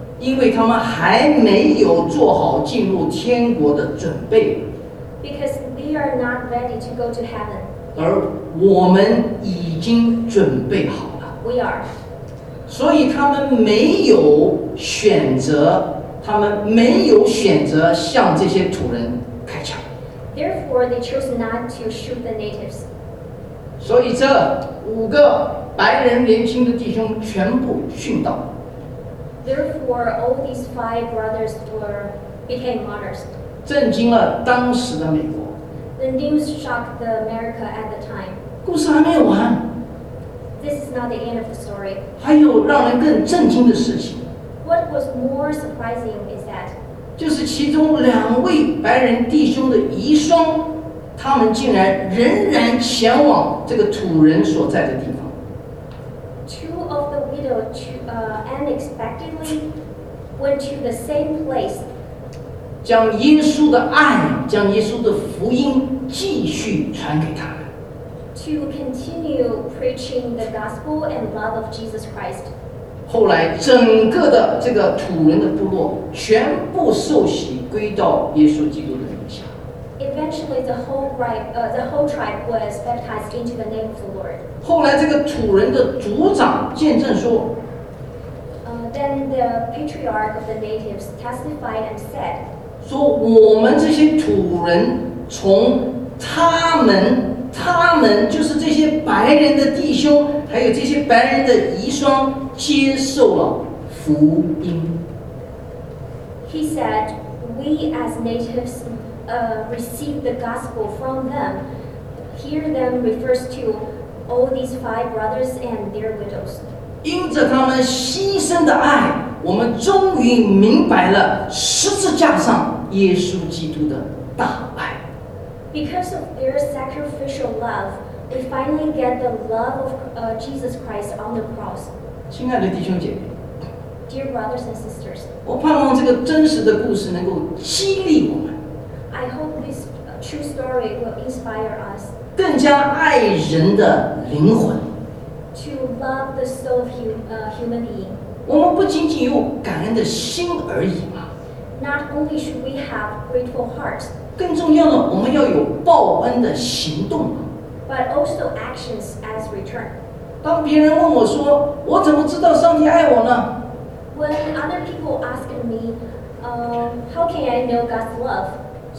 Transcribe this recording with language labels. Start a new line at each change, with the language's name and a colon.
Chinese: 因为他们还没有做好进入天国的准备。
English: Because they are not ready to go to heaven.
Chinese: 而我们已经准备好了。
English: We are.
Chinese: 所以他们没有选择，他们没有选择向这些土人开枪。
English: Therefore, they chose not to shoot the natives.
Chinese: 所以这。五个白人年轻的弟兄全部殉道。
English: Therefore, all these five brothers became martyrs.
Chinese: 震惊了当时的美国。
English: The news shocked the America at the time.
Chinese: 故事还没有完。
English: This is not the end of the story.
Chinese: 还有让人更震惊的事情。
English: What was more surprising is that
Chinese: 就是其中两位白人弟兄的遗孀。他们竟然仍然前往这个土人所在的地方。
English: Two of the widows unexpectedly went to the same place.
Chinese: 将耶稣的爱，将耶稣的福音继续传给他们。
English: To continue preaching the gospel and love of Jesus Christ.
Chinese: 后来，整个的这个土人的部落全部受洗归到耶稣基督的名下。
English: Eventually, the whole tribe was baptized into the name of the Lord.
Chinese: 后来，这个土人的族长见证说。
English: Then the patriarch of the natives testified and said.
Chinese: 说我们这些土人从他们就是这些白人的弟兄，还有这些白人的遗孀，接受了福音。
English: He said, "We as natives." Received the gospel from them. Here, them refers to all these five brothers and their widows.
Chinese: 因着他们牺牲的爱，我们终于明白了十字架上耶稣基督的大爱。
English: Because of their sacrificial love, we finally get the love of Jesus Christ on the cross.
Chinese: 亲爱的弟兄姐妹。
English: Dear brothers and sisters.
Chinese: 我盼望这个真实的故事能够激励我们。
English: I hope this true story will inspire us.
Chinese: 更加爱人的灵魂。
English: To love the soul of human being.
Chinese: 我们不仅仅有感恩的心而已嘛。
English: Not only should we have grateful hearts.
Chinese: 更重要的，我们要有报恩的行动嘛。
English: But also actions as return.
Chinese: 当别人问我说，我怎么知道上帝爱我呢
English: ？When other people ask me, how can I know God's love?